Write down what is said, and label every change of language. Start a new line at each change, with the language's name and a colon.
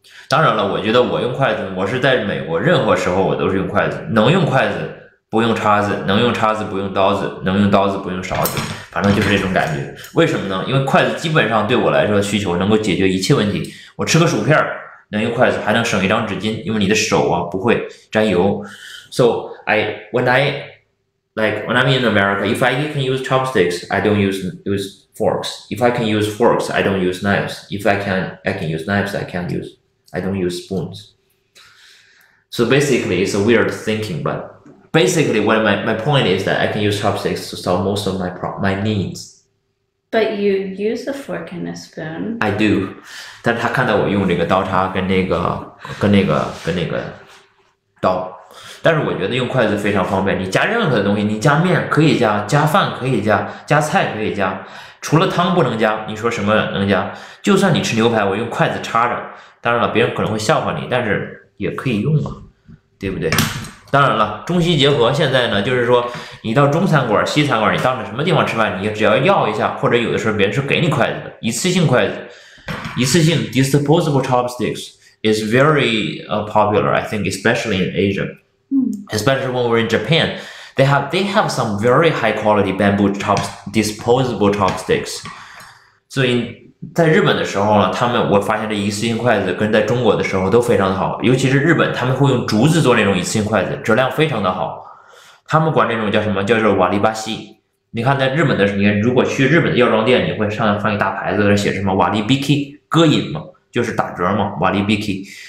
Chinese: 当然了，我觉得我用筷子，我是在美国，任何时候我都是用筷子，能用筷子不用叉子，能用叉子不用刀子，能用刀子不用勺子，反正就是这种感觉。为什么呢？因为筷子基本上对我来说的需求能够解决一切问题。我吃个薯片能用筷子，还能省一张纸巾，因为你的手啊不会沾油。
English: So Like when I'm in America, if I can use chopsticks, I don't use forks. If I can use forks, I don't use knives. If I can use knives, I don't use spoons. So basically, it's a weird thinking. But basically, what my point is that I can use chopsticks to solve most of my needs. But you use a fork and a spoon. I do.
Chinese: 但他看到我用这个刀叉跟那个刀。但是我觉得用筷子非常方便，你加任何东西，你加面可以加，加饭可以加，加菜可以加，除了汤不能加，你说什么能加？就算你吃牛排，我用筷子插着，当然了，别人可能会笑话你，但是也可以用嘛，对不对？当然了，中西结合，现在呢，就是说你到中餐馆、西餐馆，你到什么地方吃饭，你只要要一下，或者有的时候别人是给你筷子的，一次性筷子，一次性
English: disposable chopsticks is very popular, I think, especially in Asia. Especially when we're in Japan, they have some very high quality bamboo chops, disposable chopsticks. So in
Chinese: 在日本的时候呢，他们我发现这一次性筷子跟在中国的时候都非常的好，尤其是日本，他们会用竹子做那种一次性筷子，质量非常的好。他们管这种叫什么？叫做瓦利巴西。你看，在日本的时候，你如果去日本的药妆店，你会上放一大牌子，在这写什么瓦利 BK 歌饮嘛，就是打折嘛，瓦利 BK。